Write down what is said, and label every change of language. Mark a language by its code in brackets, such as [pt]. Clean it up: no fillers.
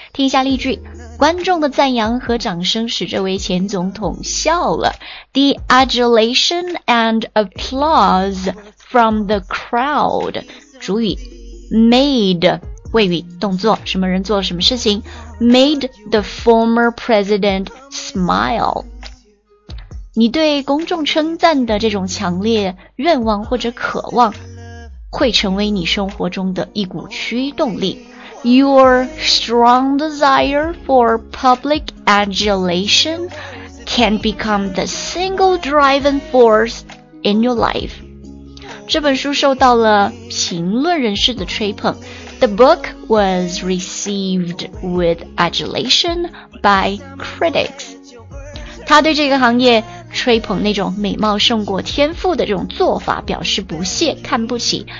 [zh] 听一下例句，观众的赞扬和掌声使这位前总统笑了。 [en] The adulation and applause from the crowd， [zh] 主语 [en] made， [zh] 谓语动作，什么人做了什么事情， [en] made the former president smile。 [zh] 你对公众称赞的这种强烈愿望或者渴望会成为你生活中的一股驱动力。 [en] Your strong desire for public adulation can become the single driving force in your life. [zh] 这本书受到了评论人士的吹捧。 [en] The book was received with adulation by critics. [zh] 他对这个行业吹捧那种美貌胜过天赋的这种做法表示不屑，看不起。